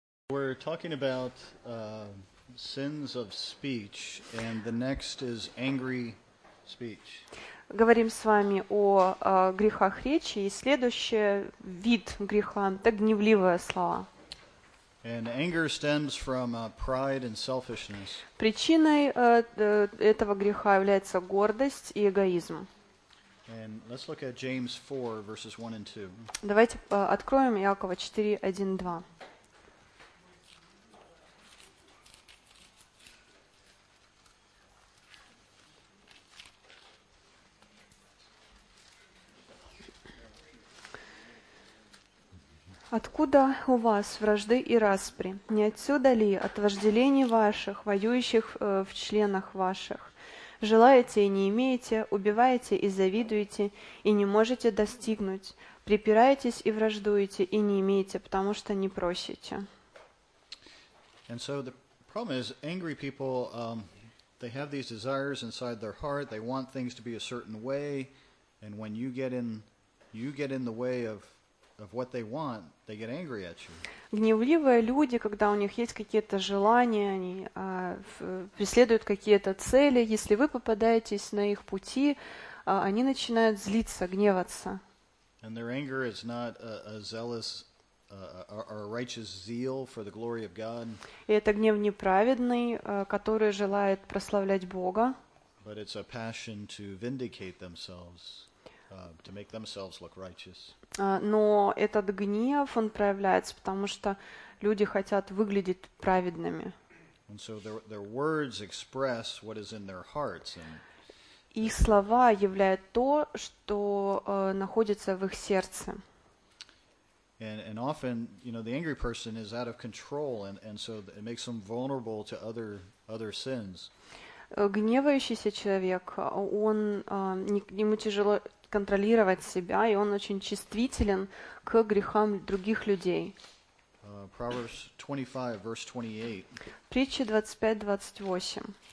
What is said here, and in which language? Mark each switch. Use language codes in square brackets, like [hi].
[en] we're talking about sins of speech, and the next is angry speech. [ru] Говорим с вами о грехах речи, и следующий вид греха – это гневливые слова. [en] And anger stems from pride and selfishness. [ru] Причиной этого греха является гордость и эгоизм. [en] And let's look at James 4, verses 1 and 2. [ru] Давайте откроем Иакова 4, 1, 2. Откуда у вас вражды и распри? Не отсюда ли от вожделений ваших, воюющих в членах ваших? Желаете и не имеете, убиваете и завидуете, и не можете достигнуть. Припираетесь и враждуете, и не имеете, потому что не просите. [en] And so the problem is angry people, they have these desires inside their heart, they want things to be a certain way, and when you get in the way of what they want, they get angry at you. [ru] Гневливые люди, когда у них есть какие-то желания, они преследуют какие-то цели, если вы попадаетесь на их пути, они начинают злиться, гневаться. [en] And their anger is not a zealous or a righteous zeal for the glory of God. [ru] И это гнев неправедный, который желает прославлять Бога. [en] But it's a passion to vindicate themselves. To make themselves look righteous. [ru] Но этот гнев, он проявляется, потому что люди хотят выглядеть праведными. [en] And so their words express what is in their hearts. And [ru] их слова являют то, что находится в их сердце. [en] And often, you know, the angry person is out of control, and so it makes them vulnerable to other sins. [ru] Гневающийся человек, ему тяжело контролировать себя, и он очень чувствителен к грехам других людей. [en] Proverbs 25, verse 28. [ru] Притча 25:28.